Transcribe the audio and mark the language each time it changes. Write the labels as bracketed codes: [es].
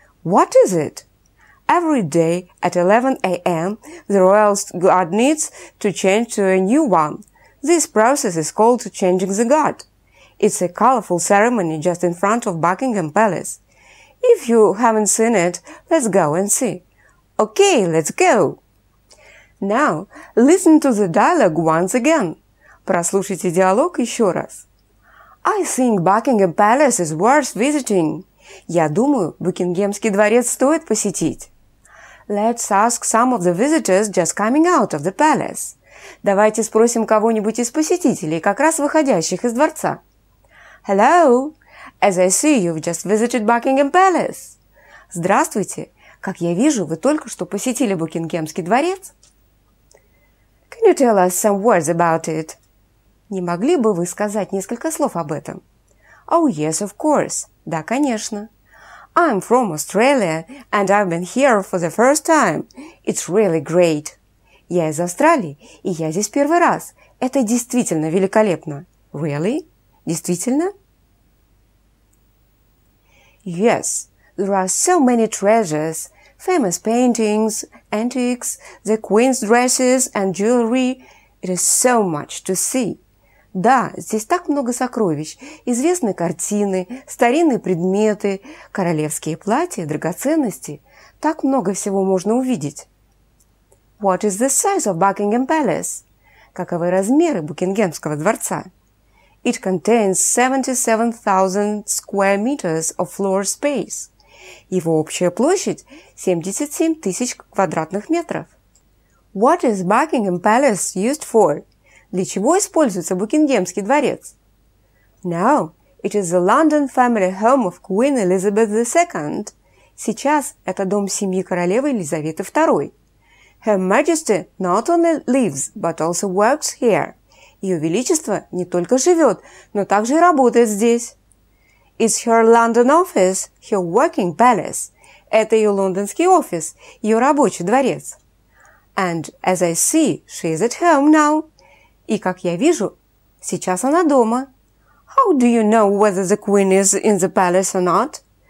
[en] What is it? Every day at 11 a.m., the royal guard needs to change to a new one. This process is called changing the guard. It's a colorful ceremony just in front of Buckingham Palace. If you haven't seen it, let's go and see. Okay, let's go. Now, listen to the dialogue once again. [ru] Прослушайте диалог еще раз. [en] I think Buckingham Palace is worth visiting. [ru] Я думаю, Букингемский дворец стоит посетить. [en] Let's ask some of the visitors just coming out of the palace. [ru] Давайте спросим кого-нибудь из посетителей, как раз выходящих из дворца. [en] Hello, as I see, you've just visited Buckingham Palace. [ru] Здравствуйте, как я вижу, вы только что посетили Букингемский дворец. [en] Can you tell us some words about it? [ru] Не могли бы вы сказать несколько слов об этом? [en] Oh, yes, of course. [ru] Да, конечно. [en] I'm from Australia, and I've been here for the first time. It's really great. [ru] Я из Австралии, и я здесь первый раз. Это действительно великолепно. [en] Really? [ru] Действительно? [en] Yes, there are so many treasures. Famous paintings, antiques, the queen's dresses and jewelry. It is so much to see. [ru] Да, здесь так много сокровищ. Известны картины, старинные предметы, королевские платья, драгоценности. Так много всего можно увидеть. [en] What is the size of Buckingham Palace? [ru] Каковы размеры Букингемского дворца? [en] It contains 77,000 square meters of floor space. [ru] Его общая площадь 77 тысяч квадратных метров. [en] What is Buckingham Palace used for? [ru] Для чего используется Букингемский дворец? [en] Now, it is the London family home of Queen Elizabeth II. [ru] Сейчас это дом семьи королевы Елизаветы II. [en] Her Majesty not only lives, but also works here. [ru] Ее величество не только живет, но также и работает здесь. [en] It's her London office, her working palace. [ru] Это ее лондонский офис, ее рабочий дворец. [en] And as I see, she is at home now. [ru] И, как я вижу, сейчас она дома. [en] How do you know whether the queen is in the palace or not?